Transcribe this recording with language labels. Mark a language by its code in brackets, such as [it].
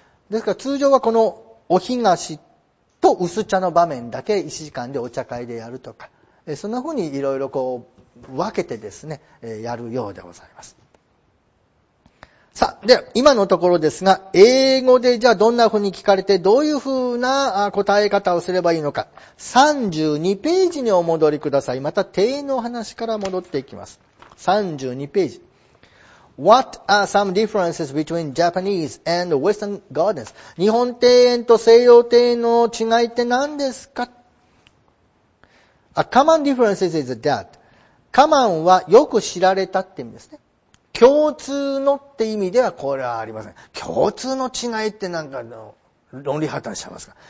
[ja] ですから通常はこのお東と薄茶の場面だけ1時間でお茶会でやるとか、そんな風にいろいろこう分けてですね、やるようでございます。さあ、で今のところですが、英語でじゃあどんな風に聞かれて、どういう風な答え方をすればいいのか、32ページにお戻りください。また庭園の話から戻っていきます。 32ページ。 [en] What are some differences between Japanese and Western gardens? [ja] 日本庭園と西洋庭園の違いって何ですか？ [en] A common difference is that. [ja] Common はよく知られたって意味ですね。共通のって意味ではこれはありません。共通の違いってなんか論理破綻しちゃいますか。